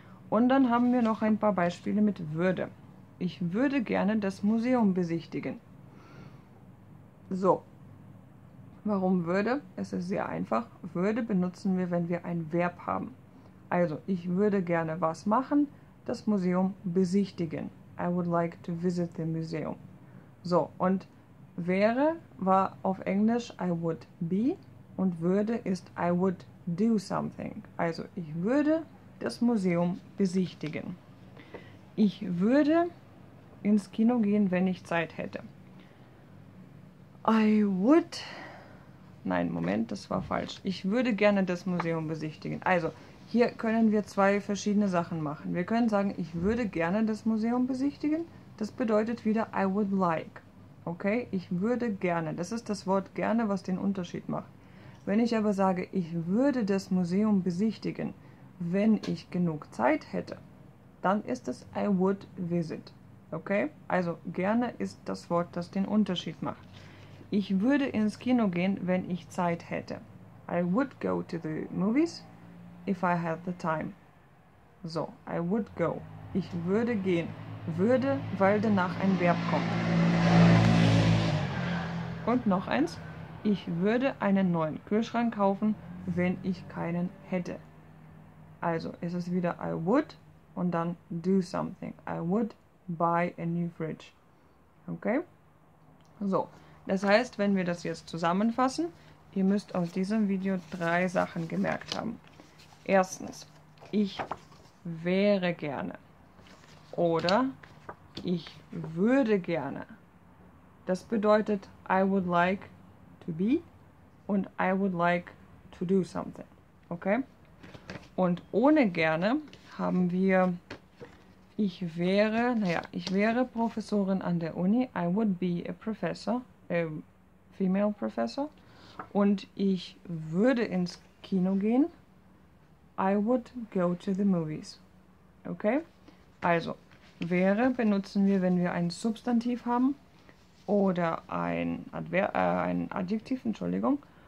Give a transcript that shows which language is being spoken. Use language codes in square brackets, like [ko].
[de] Und dann haben wir noch ein paar Beispiele mit würde. Ich würde gerne das Museum besichtigen. So, warum würde? Es ist sehr einfach. Würde benutzen wir, wenn wir ein Verb haben. Also, ich würde gerne was machen? Das Museum besichtigen. [en] I would like to visit the museum. [de] So, und wäre war auf Englisch [en] I would be [de] und würde ist [en] I would do something. [de] Also, ich würde das Museum besichtigen. Ich würde ins Kino gehen, wenn ich Zeit hätte. [en] I would. [de] Nein, Moment, das war falsch. Ich würde gerne das Museum besichtigen. Also, hier können wir zwei verschiedene Sachen machen. Wir können sagen, ich würde gerne das Museum besichtigen. Das bedeutet wieder [en] I would like. [de] Okay? Ich würde gerne. Das ist das Wort gerne, was den Unterschied macht. Wenn ich aber sage, ich würde das Museum besichtigen, wenn ich genug Zeit hätte, dann ist es [en] I would visit. [de] Okay, also gerne ist das Wort, das den Unterschied macht. Ich würde ins Kino gehen, wenn ich Zeit hätte. [en] I would go to the movies if I had the time. So, I would go. [de] Ich würde gehen. Würde, weil danach ein Verb kommt. Und noch eins. Ich würde einen neuen Kühlschrank kaufen, wenn ich keinen hätte. Also, es ist wieder [en] I would [de] und dann [en] do something. I would buy a new fridge. Okay? [de] So, das heißt, wenn wir das jetzt zusammenfassen, ihr müsst aus diesem Video drei Sachen gemerkt haben. Erstens, ich wäre gerne. Oder ich würde gerne. Das bedeutet [en] I would like to be [de] und [en] I would like to do something. [de] Okay? Und ohne gerne haben wir ich wäre, naja, ich wäre Professorin an der Uni. [en] I would be a professor, a female professor. [de] Und ich würde ins Kino gehen. [en] I would go to the movies. [de] Okay? Also, wäre benutzen wir, wenn wir ein Substantiv haben oder ein Adjektiv, Entschuldigung.